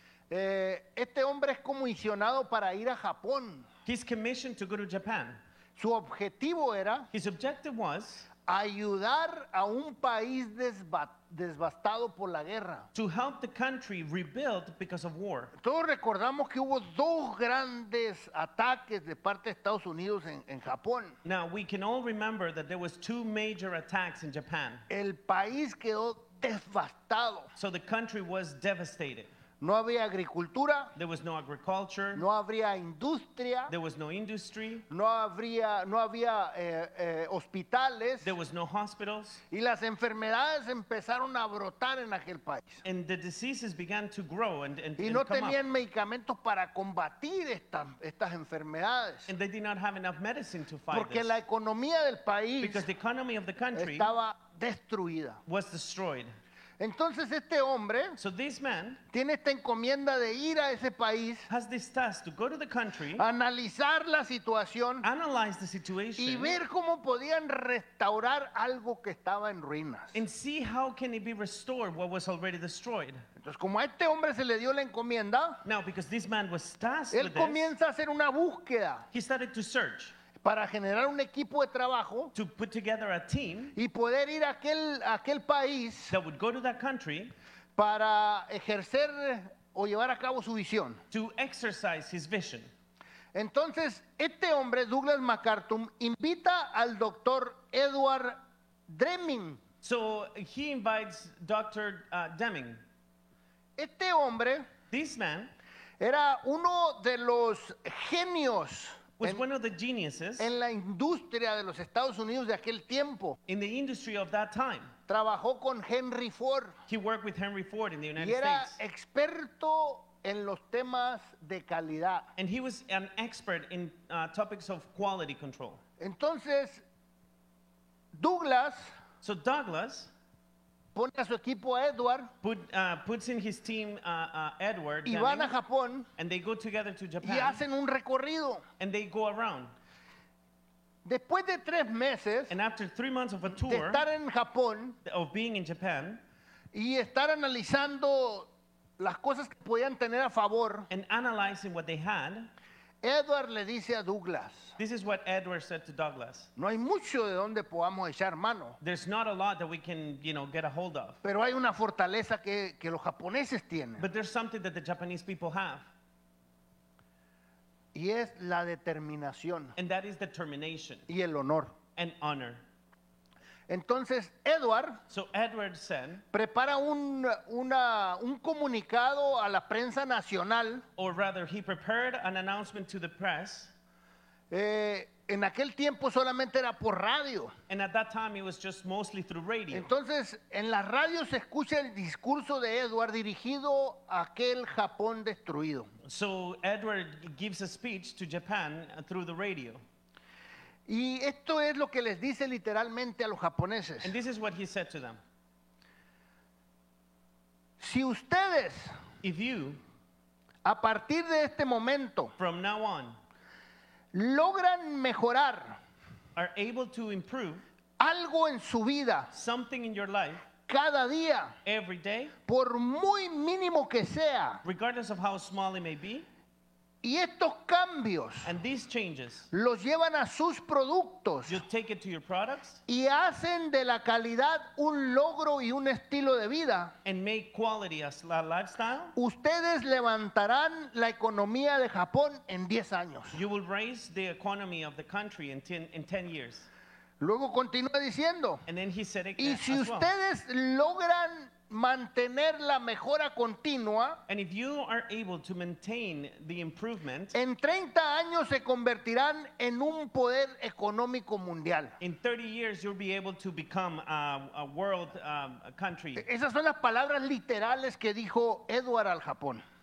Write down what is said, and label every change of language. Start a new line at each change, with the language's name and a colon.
Spanish: Este hombre es comisionado para ir a Japón.
English: He's commissioned to go to Japan.
Spanish: Su objetivo era.
English: His objective was.
Spanish: Ayudar a un país devastado por la guerra.
English: To help the country rebuild because of war.
Spanish: Todos recordamos que hubo dos grandes ataques de parte de Estados Unidos en Japón.
English: Now we can all remember that there was two major attacks in Japan.
Spanish: El país quedó devastado.
English: So the country was devastated.
Spanish: No había agricultura.
English: There was no agriculture.
Spanish: No habría industria.
English: There was no industry.
Spanish: No había hospitales.
English: There was no hospitals.
Spanish: Y las enfermedades empezaron a brotar en aquel país.
English: And the diseases began to grow and
Spanish: y no tenían medicamentos para combatir estas enfermedades.
English: And they did not have enough medicine to fight.
Spanish: Porque
English: this.
Spanish: La economía del país.
English: Because the economy of the country
Spanish: estaba destruida.
English: Was destroyed.
Spanish: Entonces este hombre
English: so this man
Spanish: tiene esta encomienda de ir a ese país,
English: has this task to go to the country,
Spanish: analizar la situación,
English: analyze the situation,
Spanish: y ver cómo podían restaurar algo que estaba en ruinas.
English: And see how can it be restored what was already destroyed.
Spanish: Entonces como a este hombre se le dio la encomienda,
English: now because this man was tasked,
Spanish: él comienza a hacer una búsqueda.
English: He started to search.
Spanish: Para generar un equipo de trabajo.
English: To put together a team.
Spanish: Y poder ir a aquel país.
English: That would go to that country.
Spanish: Para ejercer o llevar a cabo su visión.
English: To exercise his vision.
Spanish: Entonces, este hombre, Douglas MacArthur, invita al doctor Edward Deming.
English: So, he invites Dr. Deming.
Spanish: Este hombre.
English: This man.
Spanish: Era uno de los genios.
English: Was one of the geniuses
Spanish: en la industria de los Estados Unidos de aquel tiempo.
English: In the industry of that time.
Spanish: Trabajó con Henry Ford.
English: He worked with Henry Ford in the United
Spanish: y era
English: States.
Spanish: Experto en los temas de calidad.
English: And he was an expert in topics of quality control.
Spanish: Entonces, Douglas.
English: So Douglas.
Spanish: Pone a su equipo a Edward.
English: Puts in his team Edward.
Spanish: Y van a Japón.
English: And they go together to Japan.
Spanish: Y hacen un recorrido.
English: And they go around.
Spanish: Después de tres meses.
English: And after 3 months of a tour.
Spanish: De estar en Japón.
English: Of being in Japan.
Spanish: Y estar analizando las cosas que podían tener a favor.
English: And analyzing what they had.
Spanish: Edward le dice a Douglas.
English: This is what Edward said to Douglas.
Spanish: No hay mucho de donde podamos echar mano.
English: There's not a lot that we can, get a hold of.
Spanish: Pero hay una fortaleza que los japoneses tienen.
English: But there's something that the Japanese people have.
Spanish: Y es la determinación.
English: And that is determination.
Spanish: Y el honor.
English: And honor.
Spanish: Entonces, Edward,
English: so Edward said,
Spanish: prepara un comunicado a la prensa nacional.
English: Or rather, he prepared an announcement to the press.
Spanish: En aquel tiempo solamente era por radio.
English: And at that time it was just mostly through radio.
Spanish: Entonces, en la radio se escucha el discurso de Edward dirigido a aquel Japón destruido.
English: So Edward gives a speech to Japan through the radio.
Spanish: Y esto es lo que les dice literalmente a los japoneses.
English: And this is what he said to them.
Spanish: Si ustedes,
English: if you,
Spanish: a partir de este momento,
English: from now on,
Spanish: logran mejorar,
English: are able to improve,
Spanish: algo en su vida,
English: something in your life,
Spanish: cada día,
English: every day,
Spanish: por muy mínimo que sea,
English: regardless of how small it may be,
Spanish: y estos cambios,
English: and these changes,
Spanish: los llevan a sus productos,
English: you take it to your products,
Spanish: y hacen de la calidad un logro y un estilo de vida,
English: and make quality as a lifestyle,
Spanish: ustedes levantarán la economía de Japón en 10 años.
English: You will raise the economy of the country in 10 years.
Spanish: Luego continúa diciendo,
English: and then he said it,
Spanish: y si ustedes logran mantener la mejora continua,
English: and if you are able to maintain the improvement,
Spanish: en 30 años se convertirán en un poder económico mundial.
English: In 30 years you'll be able to become a world country.
Spanish: Esas son las palabras literales que dijo Edward al Japón.